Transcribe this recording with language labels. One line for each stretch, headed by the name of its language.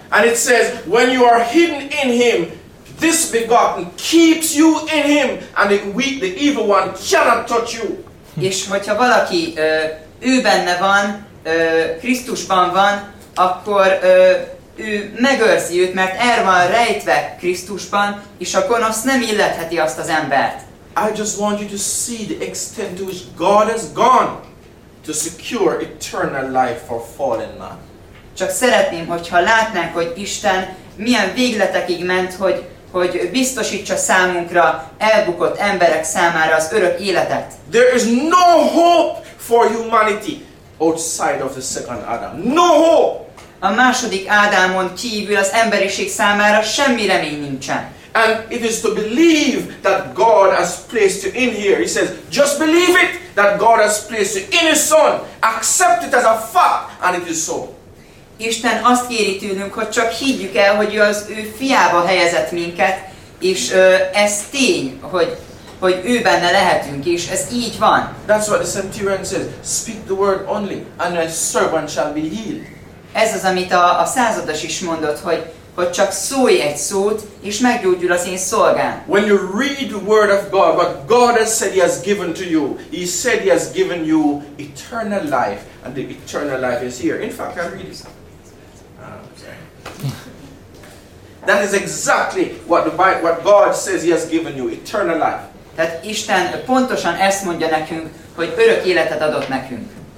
English: And it says, when you are hidden in him, this begotten keeps you in him, and the evil one cannot touch you.
Hungarian: És hogyha valaki ő benne van, Krisztusban van, akkor ő megőrzi őt, mert el van rejtve Krisztusban, és a gonosz nem illetheti azt az embert.
English: I just want you to see the extent to which God has gone to secure eternal life for fallen man.
Hungarian: Csak szeretném, hogyha látnánk, hogy Isten milyen végletekig ment, hogy biztosítsa számunkra elbukott emberek számára az örök életet.
English: There is no hope for humanity outside of the second Adam. No hope!
Hungarian: A második Ádámon kívül az emberiség számára semmi remény nincsen.
English: And it is to believe that God has placed you in here. He says, just believe it, that God has placed you in his son. Accept it as a fact, and it is so.
Hungarian: Isten azt kéri tőlünk, hogy csak higgyük el, hogy az ő fiába helyezett minket, és ez tény, hogy ő benne lehetünk, és ez így van.
English: That's what the centurion says, speak the word only, and your servant shall be healed.
Hungarian: Ez az, amit a százados is mondott, hogy csak szólj egy szót, és meggyógyul az én szolgám.
English: When you read the word of God, what God has said he has given to you, he said he has given you eternal life, and the eternal life is here. In fact, can I read this? That is exactly what God says he has given you, eternal life.
Hungarian: Tehát Isten pontosan ezt mondja nekünk, hogy örök életet adott nekünk.